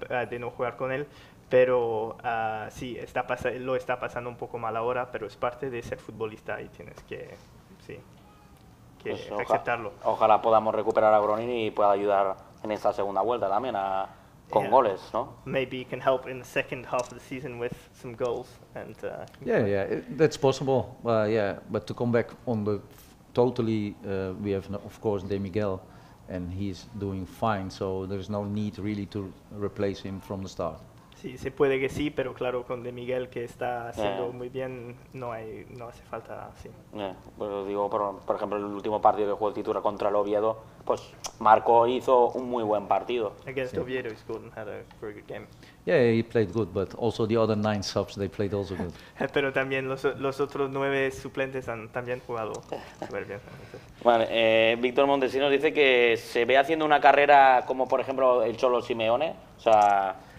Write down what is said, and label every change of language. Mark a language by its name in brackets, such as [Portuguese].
[Spanish] De no jugar con él, pero sí, lo está pasando un poco mal ahora, pero es parte de ser futbolista y tienes que, sí, que pues aceptarlo. Ojalá podamos recuperar a Groning y pueda ayudar en esta segunda vuelta también con goles, ¿no? [English] Maybe can help in the second half of the season with some goals and That's possible. But to come back on the totally, we have of course De Miguel. And he's doing fine, so there's no need really to replace him from the start. [Spanish] Sí, se puede que sí, pero claro, con De Miguel que está haciendo muy bien, no hace falta, sí. Pues digo, por ejemplo, el último partido que jugó el titular contra el Oviedo, pues Marco hizo un muy buen partido. [English] Against Oviedo, he scored and had a very good game. Yeah, he played good, but also the other 9 subs, they played also good. [Spanish] Pero también los otros 9 suplentes han también jugado súper bien. Bueno, Víctor Montesinos dice que se ve haciendo una carrera como, por ejemplo, el Cholo Simeone, o sea...